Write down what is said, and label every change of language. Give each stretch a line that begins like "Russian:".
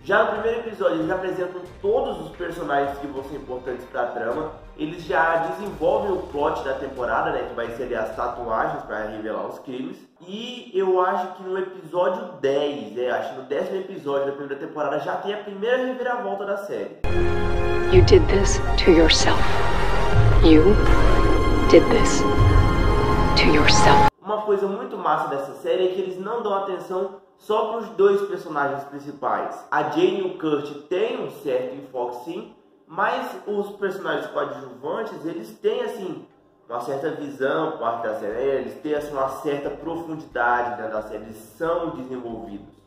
Portuguese: Já no primeiro episódio, eles apresentam todos os personagens que vão ser importantes para a trama. Eles já desenvolvem o plot da temporada, né, que vai ser ali as tatuagens para revelar os crimes. E eu acho que no episódio 10, né, acho que no 10º episódio da primeira temporada, já tem a primeira reviravolta da série.
English: You did this to yourself. You did this to yourself.
Portuguese: Uma coisa muito massa dessa série é que eles não dão atenção só para os dois personagens principais. A Jane e o Kurt têm um certo enfoque sim, mas os personagens coadjuvantes, eles têm assim uma certa visão parte da série, eles têm assim, uma certa profundidade dentro da série, eles são desenvolvidos.